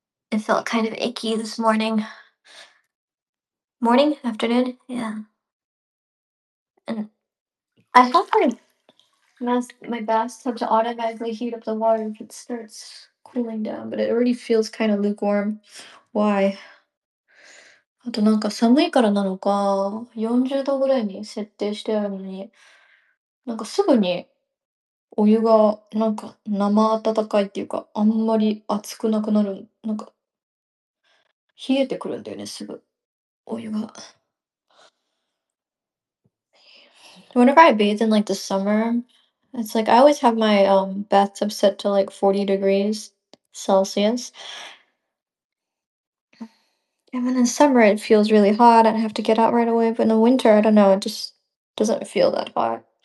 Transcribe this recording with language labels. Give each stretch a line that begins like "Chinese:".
English: It felt kind of icky this morning. Morning? Afternoon? Yeah. And I thought my bathtub to automatically heat up the water if it starts cooling down, but it already feels kind of lukewarm. Why?
Japanese: あとなんか寒いからなのか、40度ぐらいに設定してあるのに、なんかすぐにお湯がなんか生温かいっていうか、あんまり熱くなくなる、なんか冷えてくるんだよね、すぐお湯が。
English: Whenever I bathe in like the summer, it's like I always have my bathtub set to like 40 degrees Celsius. And then in summer it feels really hot and I have to get out right away. But in the winter, I don't know, it just doesn't feel that hot.